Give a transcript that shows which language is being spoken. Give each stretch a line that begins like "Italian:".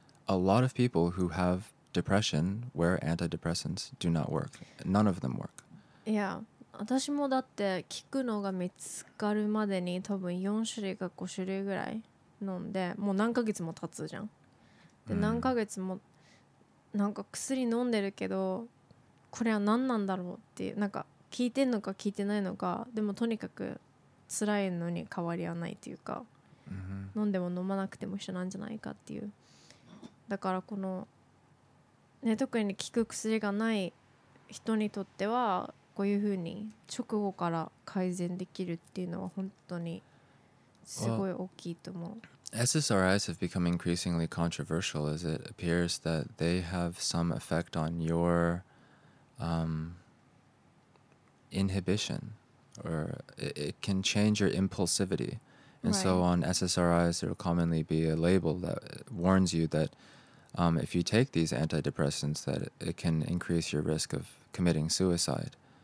English: a lot of people who have depression where antidepressants do not work. None of them work. Yeah.
Japanese: 私もだって効くのが見つかるまでに多分4種類か5種類ぐらい飲んで、もう何ヶ月も経つじゃん。で、何ヶ月もなんか薬飲んでるけど、これは何なんだろうっていう、なんか効いてんのか効いてないのか、でもとにかく辛いのに変わりはないというか、飲んでも飲まなくても一緒なんじゃないかっていう。だからこの、ね、特に効く薬がない人にとってはこういうふうに直後から改善できるっていうのは本当にすごい大きいと思う。
English: SSRIs have become increasingly controversial as it appears that they have some effect on your inhibition, or it can change your impulsivity. And right. So on SSRIs, there will commonly be a label that warns you that if you take these antidepressants, that it can increase your risk of committing suicide.